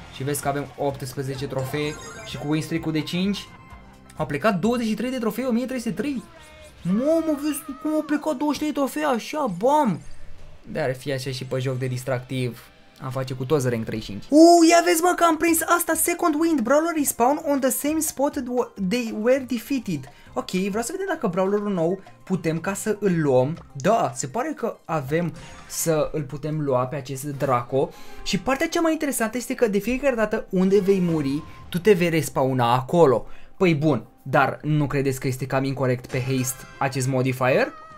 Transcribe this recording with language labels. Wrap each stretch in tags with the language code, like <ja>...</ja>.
<ro>Și vezi că avem 18 trofee și cu winstreak-ul de 5. A plecat 23 de trofee, 1303. Mamă, vezi cum a plecat 23 de trofee, așa, bam. Dar fi așa și pe joc de distractiv, am face cu toți rank 35. Ia vezi, mă, că am prins asta.</ro> <en>Second wind, brawler respawn on the same spot they were defeated.</en> <ro>Ok, vreau să vedem dacă brawlerul nou putem ca să îl luăm. Da, se pare că avem să îl putem lua pe acest Draco. Și partea cea mai interesantă este că de fiecare dată unde vei muri, tu te vei respawna acolo. Păi bun, dar nu credeți că este cam incorrect pe haste acest modifier?</ro>